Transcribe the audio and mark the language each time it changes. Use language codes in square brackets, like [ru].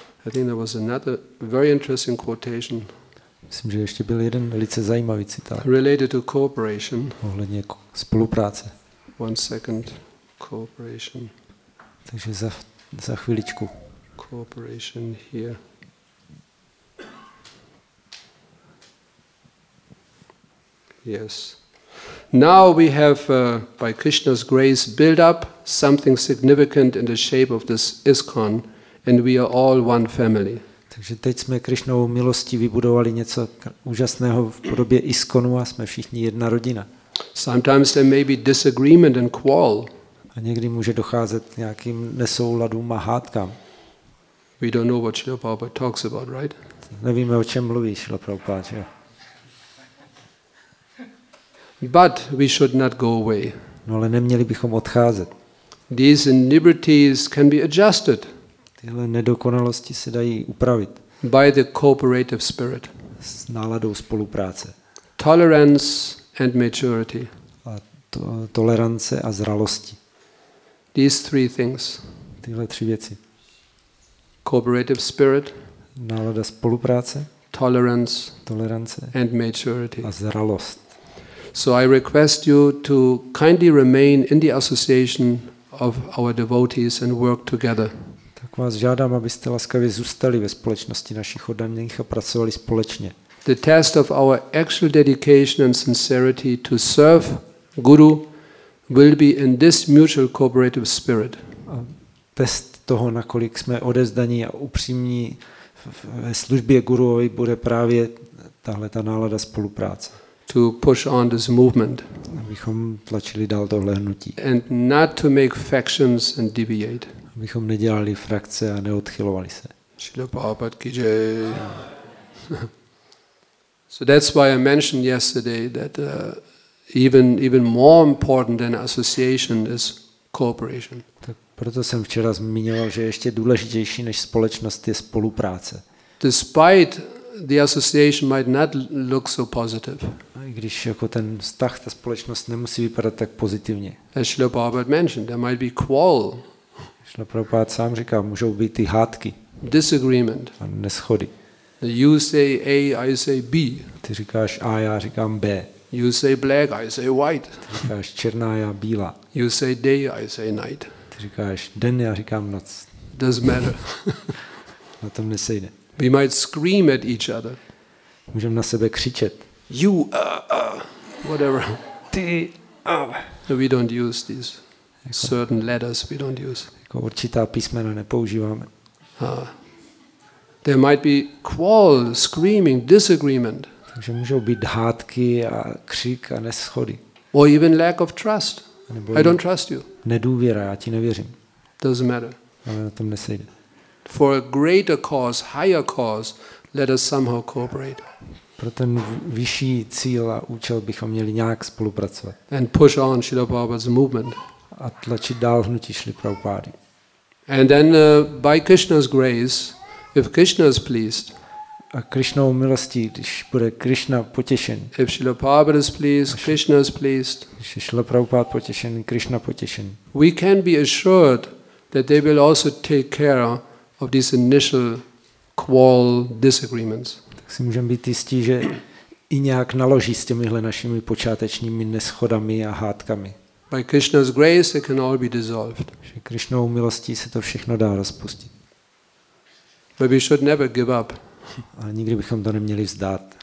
[en] I think there was another very interesting quotation. [cs] Myslím, že ještě byl jeden velice zajímavý citát. [en] Related to cooperation. [cs] Ohledně spolupráce. [en] One second, cooperation. [cs] Takže za chviličku. [en] Cooperation here. Yes. Now we have, by Krishna's grace, built up something significant in the shape of this ISKCON, and we are all one family. [cs] Takže teď jsme Krishnovou milostí vybudovali něco úžasného v podobě ISKCONu a jsme všichni jedna rodina. [en] Sometimes there may be disagreement and quarrel. [cs] A někdy může docházet k nějakým nesouladům a hádkám. [en] We don't know what Srila Prabhupada talks about, right? [cs] Nevíme, o čem mluví Srila Prabhupada. [en] But we should not go away. [cs] No, ale neměli bychom odcházet. [en] These liberties can be adjusted. [cs] Tyhle nedokonalosti se dají upravit. [en] By the cooperative spirit. [cs] S náladou spolupráce. [en] Tolerance and maturity. [cs] A tolerance a zralosti. [en] These three things. [cs] Tyhle tři věci. [en] Cooperative spirit, [cs] nálada spolupráce, [en] tolerance, and maturity, [cs] a zralost. [en] So I request you to kindly remain in the association of our devotees and work together. [cs] Tak vás žádám, abyste laskavě zůstali ve společnosti našich oddaných a pracovali společně. [en] The test of our actual dedication and sincerity to serve Guru will be in this mutual cooperative spirit. [cs] Test toho, nakolik jsme odezdaní a upřímní ve službě guruovi, bude právě tahle ta nálada spolupráce. [en] to push on this movement. [cs] Abychom tlačili dál tohle hnutí. [en] And not to make factions and deviate. [cs] Abychom nedělali frakce a neodchylovali se. [hi] Shrila Prabhupada ki jai. [en] So that's why I mentioned yesterday that even more important than association is cooperation. [cs] Tak proto jsem včera zmiňoval, že ještě důležitější než společnost je spolupráce. [en] Despite the association might not look so positive. [cs] I když jako ten vztah, ta společnost nemusí vypadat tak pozitivně. [en] As Shrila Prabhupada mentioned, there might be quarrel. [cs] Shrila Prabhupada sám říká, můžou být ty hádky. [en] Disagreement. [cs] A neschody. [en] You say A, I say B. [cs] Ty říkáš A, já říkám B. [en] You say black, I say white. [cs] Ty říkáš černá, já bílá. [en] You say day, I say night. [cs] Ty říkáš den, já říkám noc. [en] Doesn't matter. [cs] Na tom nesejde. [en] We might scream at each other. [cs] Můžeme na sebe křičet. [en] You, whatever. [cs] Ty, [en] We don't use these jako, certain letters, we don't use. [cs] Jako určitá písmena nepoužíváme. [en] There might be quarrel, screaming, disagreement. [cs] Takže můžou být hádky a křik a neschody. [en] Or even lack of trust. I don't trust you. [cs] Nedůvěra, já ti nevěřím. [en] Doesn't matter. [cs] Ale na tom nesejde. [en] For a greater cause, higher cause, let us somehow cooperate. [cs] Pro ten vyšší cíl a účel bychom měli nějak spolupracovat. [en] And push on Srila Prabhupada's movement. [cs] A tlačit dál hnutí Srila Prabhupády. [en] And then by Krishna's grace, if Krishna is pleased, [cs] a Krishnou milostí, když bude Krishna potěšen, [en] if Srila Prabhupada is pleased, Krishna is pleased, [cs] když je Srila Prabhupada potěšen, Krishna potěšen, [en] we can be assured that they will also take care of these initial quarrel disagreements. [cs] Tak si můžeme být jistí, že i nějak naloží s těmihle našimi počátečními neschodami a hádkami. [en] By Krishna's grace, it can all be dissolved. [cs] Že Krishnou milostí se to všechno dá rozpustit. [en] But we should never give up. [cs] A nikdy bychom to neměli vzdát.